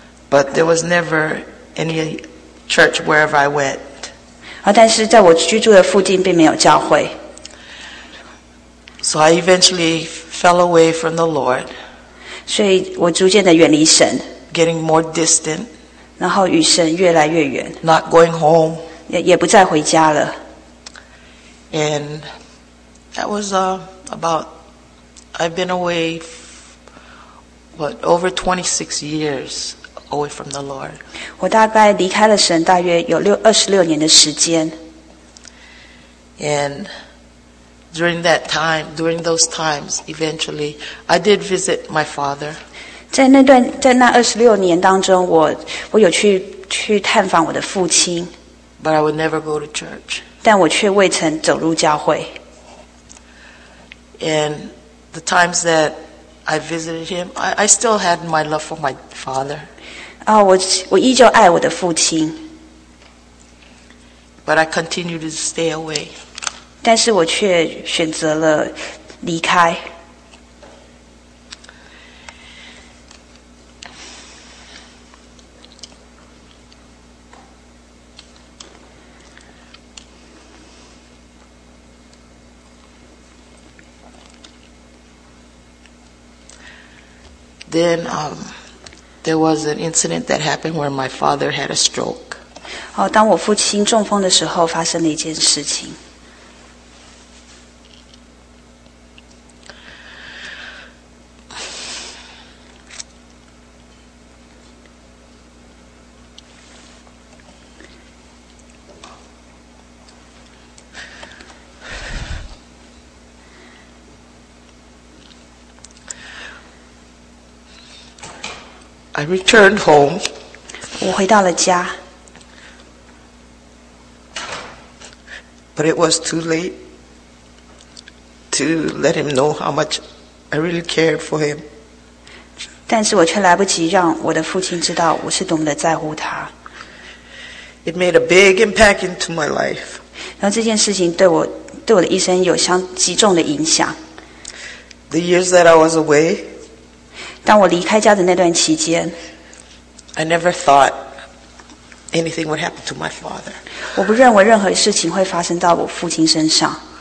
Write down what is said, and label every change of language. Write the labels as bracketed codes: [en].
[en] But there was never any church wherever I went. [zh] 但是在我居住的附近并没有教会。 [en] So I eventually fell away from the Lord. [zh] 所以我逐渐的远离神 [en] ，getting more distant， [zh] 然后与神越来越远 [en] ，not going home， [zh] 也不再回家了。 [en] And that was about I've been away what over 26 years away from the Lord。 [zh] 我大概离开了神大约有26年的时间。 [en] And during those times, eventually, I did visit my father. [zh] 在那26年当中，我有去探访我的父亲。 [en] But I would never go to church. [zh] 但我却未曾走入教会。 [en] And the times that I visited him, I still had my love for my father. [zh] 我依旧爱我的父亲。 [en] But I continued to stay away. [zh] 但是我却选择了离开。 [en] Then, there was an incident that happened where my father had a stroke. [zh] 哦，当我父亲中风的时候，发生了一件事情。 [en] I returned home. [zh] 我回到了家。 [en] But it was too late to let him know how much I really cared for him. [zh] 但是我却来不及让我的父亲知道我是多么的在乎他。 [en] It made a big impact into my life. [zh] 然后这件事情对我的一生有相极重的影响。 [en] The years that I was away. [zh] 当我离开家的那段期间 [en] ，I never thought anything would happen to my father. [zh] 我不认为任何事情会发生到我父亲身上。